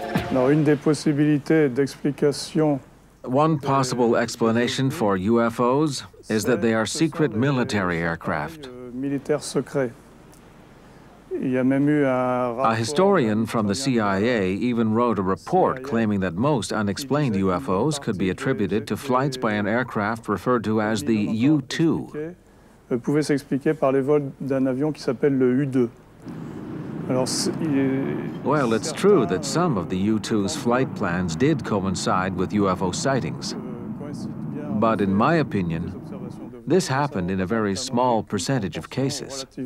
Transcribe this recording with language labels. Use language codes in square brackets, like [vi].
[en] One possible explanation for UFOs is that they are secret military aircraft. A historian from the CIA even wrote a report claiming that most unexplained UFOs could be attributed to flights by an aircraft referred to as the U-2. [fr] Pouvait s'expliquer par les vols d'un avion qui s'appelle le U-2. [en] Well, it's true that some of the U-2's flight plans did coincide with UFO sightings. But in my opinion, this happened in a very small percentage of cases.